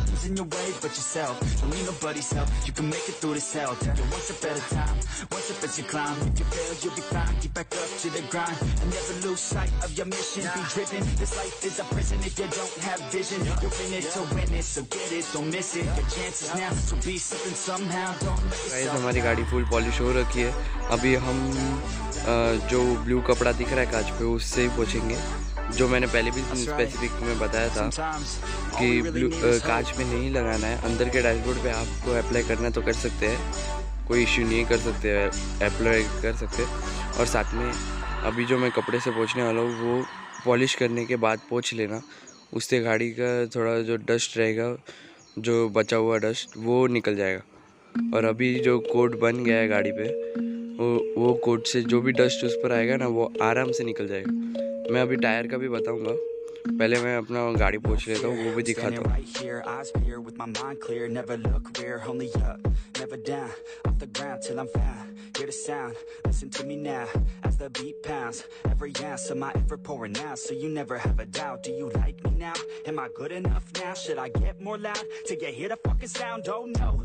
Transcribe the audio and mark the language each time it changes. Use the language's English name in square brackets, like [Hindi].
[English] Nothing's in your way but yourself. Don't need nobody's help. You can make it through this hell. Take it one step at a time, one step as you climb. If you fail, you'll be fine. Get back up to the grind and never lose sight of your mission. Be driven. This life is a prison if you don't have vision. You're in it to win it, so get it, don't miss it. Your chances now to be something somehow. [Hindi] Guys, हमारी गाड़ी full polish हो रखी है। अभी हम जो blue कपड़ा दिख रहा है कांच पे, उससे ही पहुँचेंगे। जो मैंने पहले भी स्पेसिफिक में बताया था कि ब्लू कांच में नहीं लगाना है, अंदर के डैशबोर्ड पे आपको अप्लाई करना है तो कर सकते हैं, कोई इश्यू नहीं, कर सकते हैं अप्लाई कर सकते। और साथ में अभी जो मैं कपड़े से पहुँचने वाला हूँ, वो पॉलिश करने के बाद पहुँच लेना, उससे गाड़ी का थोड़ा जो डस्ट रहेगा, जो बचा हुआ डस्ट, वो निकल जाएगा। और अभी जो कोट बन गया है गाड़ी पर, वो कोट से जो भी डस्ट उस पर आएगा ना, वो आराम से निकल जाएगा। मैं अभी टायर का भी बताऊंगा, पहले मैं अपना गाड़ी पोंछ लेता हूं, वो भी दिखाता हूं। [English] The ground till I'm found, hear the sound, listen to me now, as the beat pounds, every ounce of my effort pouring out, so you never have a doubt, do you like me now, am I good enough now, should I get more loud, till you hear the fucking sound, oh no,